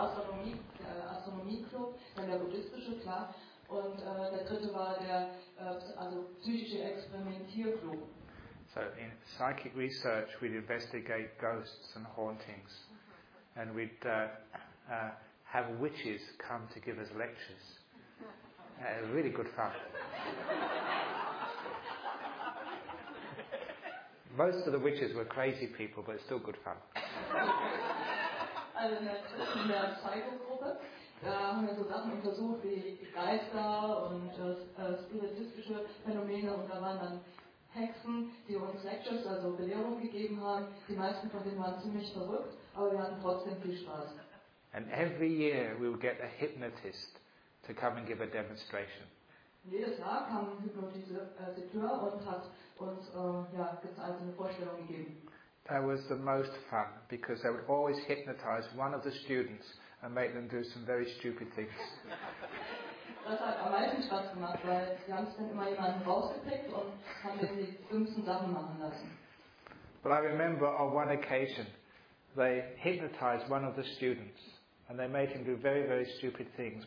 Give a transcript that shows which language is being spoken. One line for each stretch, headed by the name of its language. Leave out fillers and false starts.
German: Also Astronomie, Astronomie-Club, dann der buddhistische, klar. Und der dritte war der also psychische Experimentierclub.
English: So in psychic research, we'd investigate ghosts and hauntings. And we'd have witches come to give us lectures. Really good fun. Most of the witches were crazy people, but it's still good fun.
German: Also in der Psycho-Gruppe haben wir so Sachen untersucht wie Geister und spiritistische Phänomene, und da waren dann Hexen, die uns Lectures, also Belehrung gegeben haben. Die meisten von denen waren ziemlich verrückt, aber wir hatten trotzdem viel Spaß.
English: And every year we would get a hypnotist to come and give a demonstration.
German: Jedes Jahr kam ein Hypnotiseur und hat uns also eine Vorstellung gegeben.
English: That was the most fun, because they would always hypnotize one of the students and make them do some very stupid things.
German: Das hat am meisten Spaß gemacht, weil sie haben dann immer jemanden rausgepickt und haben dann die dümmsten Sachen machen lassen.
English: But I remember on one occasion, they hypnotized one of the students and they made him do very, very stupid things.